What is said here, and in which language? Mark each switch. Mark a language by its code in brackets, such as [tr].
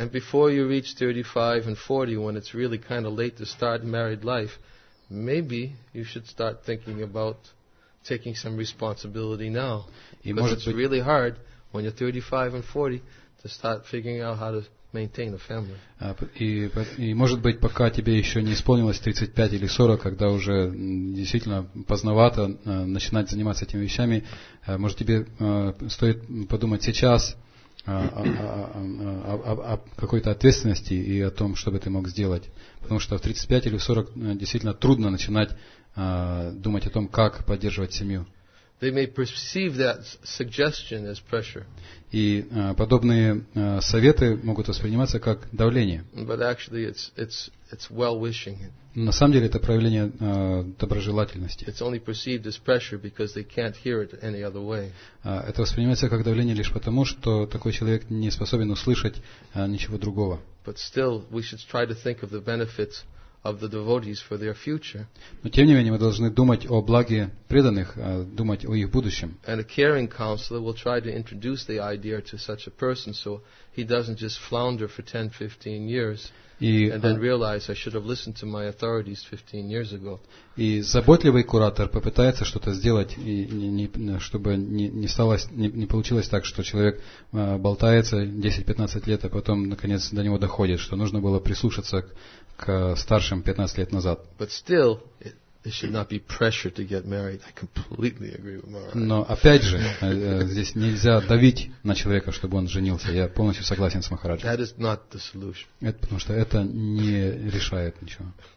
[en] And before you reach 35 and 40, when it's really kind of late to start married life, maybe you should start thinking about taking some responsibility now. Because it's really hard when you're 35 and 40 to start figuring out how to maintain a family. [ru] И может быть, пока тебе еще не исполнилось 35 или 40, когда уже действительно поздновато начинать заниматься этими вещами, может тебе стоит подумать сейчас о какой-то ответственности и о том, что бы ты мог сделать. Потому что в 35 или 40 действительно трудно начинать думать о том, как поддерживать семью. [en] They may perceive that suggestion as pressure. [ru] И подобные советы могут восприниматься как давление. [en] But actually it's well-wishing. [ru] На самом деле это проявление доброжелательности. [en] It's only perceived as pressure because they can't hear it any other way. [ru] Это воспринимается как давление лишь потому, что такой человек не способен услышать ничего другого. [en] But still we should try to think of the benefits of the devotees for their future. [ru] Но тем не менее мы должны думать о благе преданных, думать о их будущем. [en] And a caring counselor will try to introduce the idea to such a person so he doesn't just flounder for 10-15 years and then realize I should have listened to my authorities 15 years ago. [ru] И заботливый куратор попытается что-то сделать, и чтобы не получилось так, что человек болтается 10-15 лет, а потом наконец до него доходит, что нужно было прислушаться к старшим 15 лет назад. [en] But still, it should not be pressure to get married. I completely agree with Maharaj. [ru] Но опять же, здесь нельзя давить на человека, чтобы он женился. Я полностью согласен с Махараджем. [en] That is not the solution. [ru] Это потому что это не решает ничего.